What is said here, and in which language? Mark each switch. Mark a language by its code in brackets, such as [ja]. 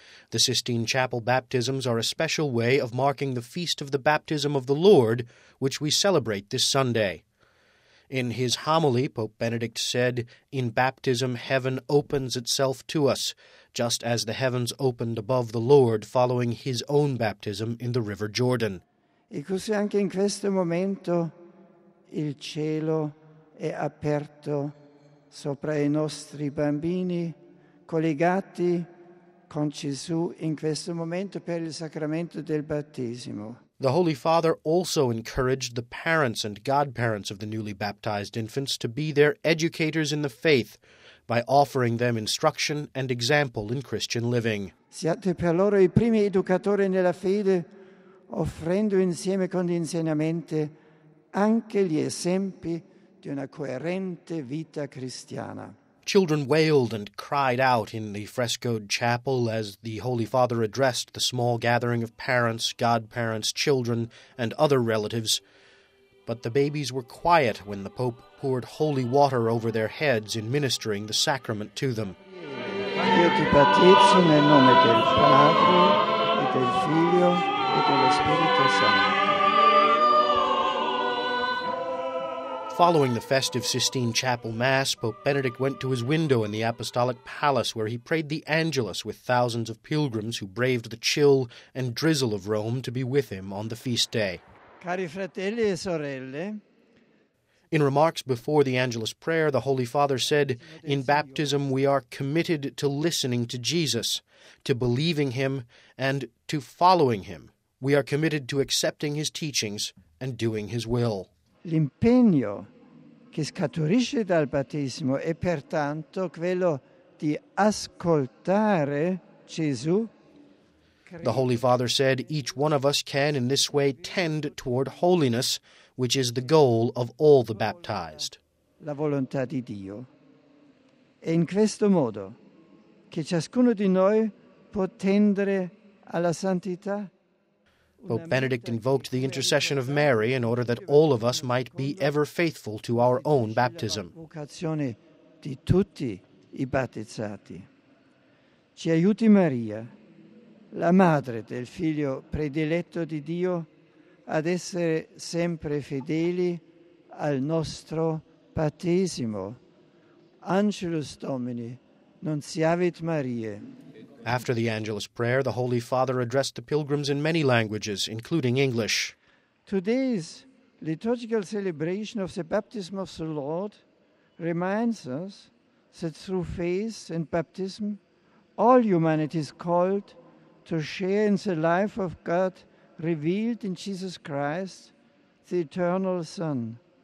[en] The Sistine Chapel baptisms are a special way of marking the Feast of the Baptism of the Lord, which we celebrate this Sunday. In his homily, Pope Benedict said, "In baptism, heaven opens itself to us, just as the heavens opened above the Lord following his own baptism in the River Jordan." [it] E così anche in questo momento il cielo è aperto sopra i nostri bambini collegati con Gesù in questo momento per il sacramento del battesimo. [en] The Holy Father also encouraged the parents and godparents of the newly baptized infants to be their educators in the faith by offering them instruction and example in Christian living. [it] Siate per loro i primi educatori nella fede, offrendo insieme con gli insegnamenti anche gli esempi di una coerente vita cristiana. [en] Children wailed and cried out in the frescoed chapel as the Holy Father addressed the small gathering of parents, godparents, children, and other relatives. But the babies were quiet when the Pope poured holy water over their heads in ministering the sacrament to them. [it] Io ti battezzo nel nome del Padre, e del Figlio, e dello Spirito Santo. [en] Following the festive Sistine Chapel Mass, Pope Benedict went to his window in the Apostolic Palace where he prayed the Angelus with thousands of pilgrims who braved the chill and drizzle of Rome to be with him on the feast day. [it] Cari fratelli e sorelle, [en] in remarks before the Angelus prayer, the Holy Father said, "In baptism we are committed to listening to Jesus, to believing him, and to following him. We are committed to accepting his teachings and doing his will." [it] L'impegno che scaturisce dal battesimo è pertanto quello di ascoltare Gesù. [en] The Holy Father said, "Each one of us can in this way tend toward holiness, which is the goal of all the baptized." [it] La volontà di Dio. È in questo modo che ciascuno di noi può tendere alla santità. [en] Pope Benedict invoked the intercession of Mary in order that all of us might be ever faithful to our own baptism. [it] Vocazione di tutti i battezzati. Ci aiuti Maria, la madre del figlio prediletto di Dio, ad essere sempre fedeli al nostro battesimo. [la] Angelus Domini, nunziavit Mariae. [en] After the Angelus prayer, the Holy Father addressed the pilgrims in many languages, including English. Today's liturgical celebration of the baptism of the Lord reminds us that through faith and baptism, all humanity is called to share in the life of God revealed in Jesus Christ, the Eternal Son.